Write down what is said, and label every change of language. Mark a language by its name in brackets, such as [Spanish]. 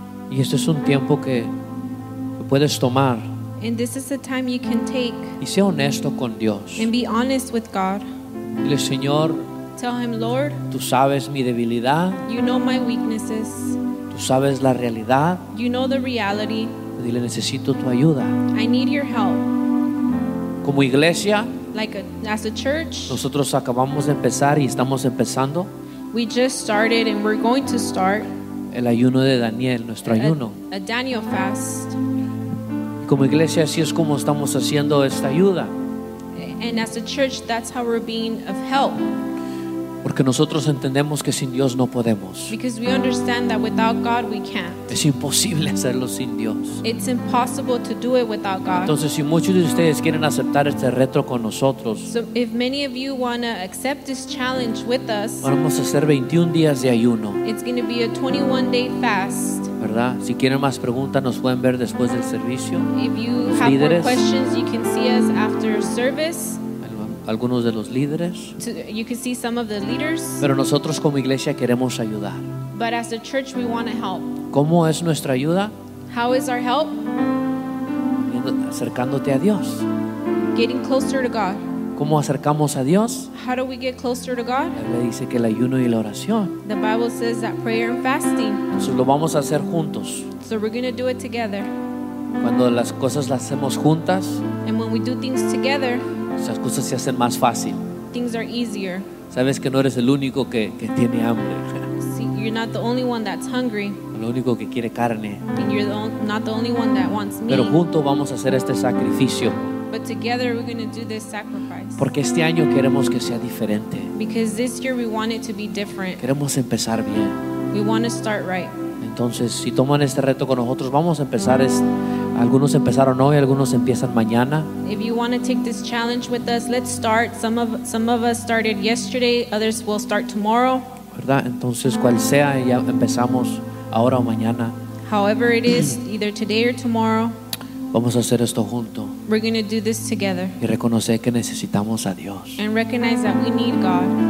[Spanish] Y este es un tiempo que puedes tomar. [English] And this is the time you can take. [Spanish] Y sea honesto con Dios. [English] And be honest with God. [Spanish] Dile, Señor. [English] Tell him, Lord. [Spanish] Tú sabes mi debilidad. [English] You know my weaknesses. [Spanish] Tú sabes la realidad. [English] You know the reality. [Spanish] Dile, necesito tu ayuda. [English] I need your help. [Spanish] Como iglesia. [English] Like as a church. [Spanish] Nosotros acabamos de empezar y estamos empezando. [English] We just started and we're going to start. [Spanish] El ayuno de Daniel, nuestro ayuno. [English] A Daniel fast. [Spanish] Como iglesia, así es como estamos haciendo esta ayuda. [English] And as a church, that's how we're being of help. [Spanish] Porque nosotros entendemos que sin Dios no podemos. [English] Because we understand that without God we can't. [Spanish] Es imposible hacerlo sin Dios. [English] It's impossible to do it without God. [Spanish] Entonces, si muchos de ustedes quieren aceptar este reto con nosotros, [English] so if many of you want to accept this challenge with us, [Spanish] vamos a hacer 21 días de ayuno. [English] It's going to be a 21-day fast. [Spanish] ¿Verdad? Si quieren más preguntas, nos pueden ver después del servicio. [English] If you have [Spanish] líderes, [English] more questions, you can see us after service. [Spanish] Algunos de los líderes. [English] You can see some of the leaders. [Spanish] Pero nosotros como iglesia queremos ayudar. [English] But as a church, we want to help. [Spanish] ¿Cómo es nuestra ayuda? [English] How is our help? [Spanish] Acercándote a Dios. [English] Getting closer to God. [Spanish] ¿Cómo acercamos a Dios? [English] How do we get closer to God? [Spanish] La Biblia dice que el ayuno y la oración. [English] The Bible says that prayer and fasting. [Spanish] Entonces lo vamos a hacer juntos. [English] So we're going to do it together. [Spanish] Cuando las cosas las hacemos juntas. [English] And when we do things together. [Spanish] Esas cosas se hacen más fácil. [English] Things are easier. [Spanish] Sabes que no eres el único que tiene hambre. [English] See, you're not the only one that's hungry. [Spanish] Lo único que quiere carne. [English] And you're not the only one that wants meat. [Spanish] Pero juntos vamos a hacer este sacrificio. [English] But together we're going to do this sacrifice. [Spanish] Porque este año queremos que sea diferente. [English] Because this year we want it to be different. [Spanish] Queremos empezar bien. [English] We want to start right. [Spanish] Entonces, si toman este reto con nosotros, vamos a empezar. Algunos empezaron hoy, algunos empiezan mañana. [English] If you want to take this challenge with us, let's start. Some of us started yesterday, others will start tomorrow. [Spanish] ¿Verdad? Entonces, cual sea, ya empezamos ahora o mañana. [English] However it is, either today or tomorrow. [Spanish] Vamos a hacer esto juntos. [English] We're going to do this together. [Spanish] Y reconocer que necesitamos a Dios. [English] And recognize that we need God.